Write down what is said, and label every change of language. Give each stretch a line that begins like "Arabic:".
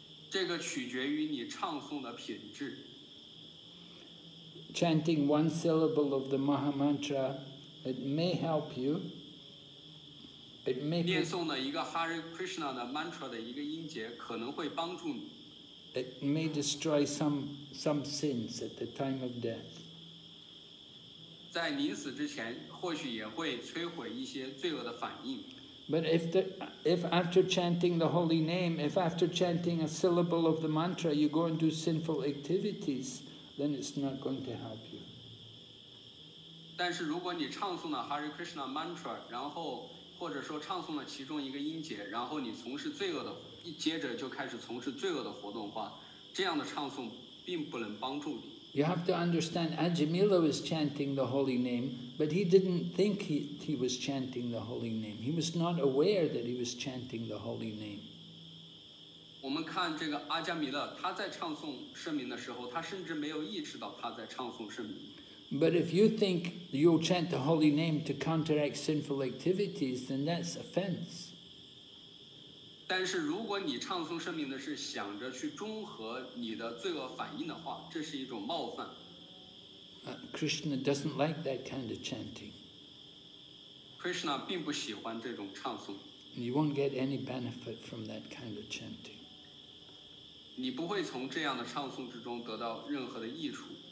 Chinese: 这个取决于你唱诵的品质。
English: Chanting one syllable of the Maha Mantra, it may help you. It may.
Chinese: 念诵的一个 Hare Krishna 的 mantra 的一个音节可能会帮助你。
English: It may destroy some sins at the time of death.
Chinese: 在临死之前，或许也会摧毁一些罪恶的反应。
English: But if after chanting the holy name, if after chanting a syllable of the mantra, you go and do sinful activities, then it's not going to help you.
Chinese: 但是如果你唱诵了 Hare Krishna mantra, 然后或者说唱诵了其中一个音节，然后你从事罪恶的，接着就开始从事罪恶的活动的话，这样的唱诵并不能帮助你。
English: You have to understand, Ajamila was chanting the holy name, but he didn't think he was chanting the holy name. He was not aware that he was chanting the holy name.
Chinese: 我们看这个阿加米勒，他在唱诵圣名的时候，他甚至没有意识到他在唱诵圣名。
English: But if you think you'll chant the holy name to counteract sinful activities, then that's offense.
Chinese: 但是如果你唱诵圣名的是想着去中和你的罪恶反应的话，这是一种冒犯。
English: Krishna doesn't like that kind of chanting.
Chinese: Krishna 并不喜欢这种唱诵。
English: You won't get any benefit from that kind of chanting.
Chinese: 你不会从这样的唱诵之中得到任何的益处。